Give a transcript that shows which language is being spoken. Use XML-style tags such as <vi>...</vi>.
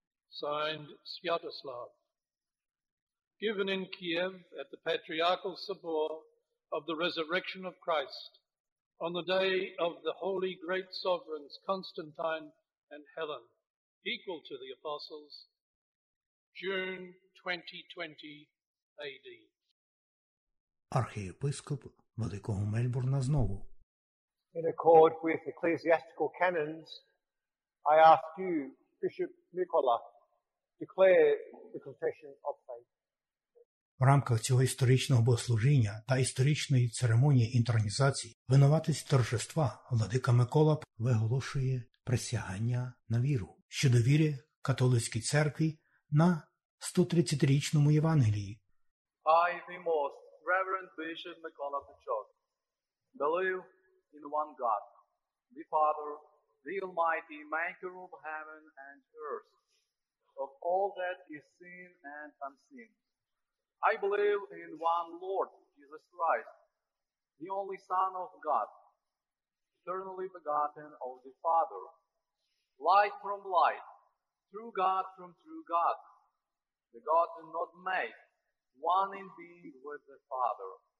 <en>Signed, Sviatoslav. Given in Kiev at the Patriarchal Sabor of the Resurrection of Christ on the day of the holy great sovereigns Constantine and Helen, equal to the Apostles, June 2020 AD.</en> <uk>Архієпископ Великого Мельбурна знову.</uk> <en>In accord with ecclesiastical canons, I ask you, Bishop Nicola, declare the confession of faith.</en> <uk>В рамках цього історичного богослужіння та історичної церемонії інтронізації винуватець торжества владика Микола виголошує присягання на віру щодо віри католицькій церкві на 130-річному Євангелії.</uk> <en>I, the most reverend bishop Микола Печок, believe in one God, the Father, the Almighty, maker of heaven and earth, of all that is seen and unseen. I believe in one Lord, Jesus Christ, the only Son of God, eternally begotten of the Father, light from light, true God from true God, begotten, not made, one in being with the Father.</en>